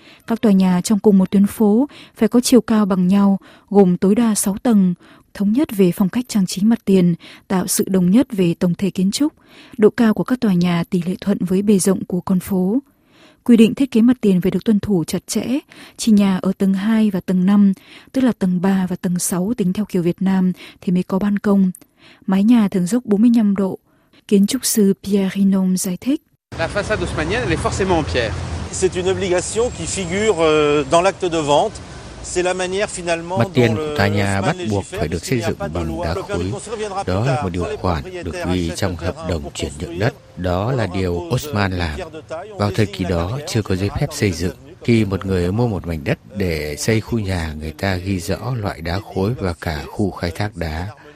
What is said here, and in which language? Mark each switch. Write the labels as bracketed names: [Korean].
[Vietnamese] Các tòa nhà trong cùng một tuyến phố phải có chiều cao bằng nhau, gồm tối đa 6 tầng, thống nhất về phong cách trang trí mặt tiền, tạo sự đồng nhất về tổng thể kiến trúc, độ cao của các tòa nhà tỷ lệ thuận với bề rộng của con phố. Quy định thiết kế mặt tiền phải được tuân thủ chặt chẽ, chỉ nhà ở tầng 2 và tầng 5, tức là tầng 3 và tầng 6 tính theo kiểu Việt Nam thì mới có ban công. Mái nhà thường dốc 45 độ. Kiến trúc sư Pierre Rinom giải thích. [French] La façade haussmannienne, elle est forcément en pierre. C'est une obligation qui figure dans l'acte de vente. [Vietnamese] Mặt tiền của tòa nhà bắt buộc phải được xây dựng bằng đá khối. Đó là một điều khoản được ghi trong hợp đồng chuyển nhượng đất. Đó là điều Osman làm. Vào thời kỳ đó, chưa có giấy phép xây dựng. Khi một người mua một mảnh đất để xây khu nhà, người ta ghi rõ loại đá khối và cả khu khai thác đá.